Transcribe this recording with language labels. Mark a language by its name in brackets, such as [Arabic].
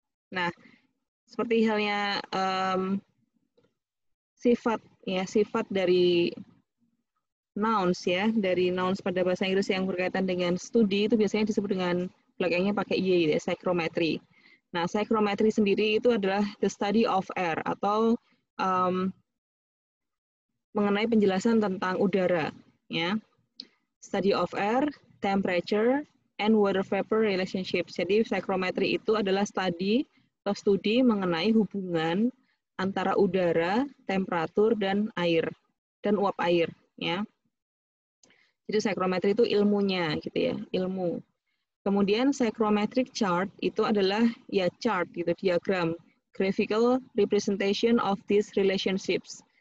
[Indonesian] Nah, seperti halnya sifat ya, sifat dari nouns ya, dari nouns pada bahasa Inggris yang berkaitan dengan studi itu biasanya disebut dengan belakangnya pakai ie ya, psychrometry. Nah, psychrometry sendiri itu adalah [English] the study of air [Indonesian] atau mengenai penjelasan tentang udara, ya. [English] Study of air, temperature, and water vapor relationship. [Indonesian] Jadi, psychrometry itu adalah study atau studi mengenai hubungan antara udara, temperatur, dan air, dan uap air, ya. Jadi, psychrometry itu ilmunya, gitu ya, ilmu. Kemudian psychrometric chart itu adalah ya chart gitu, diagram, [English] graphical representation of these relationships.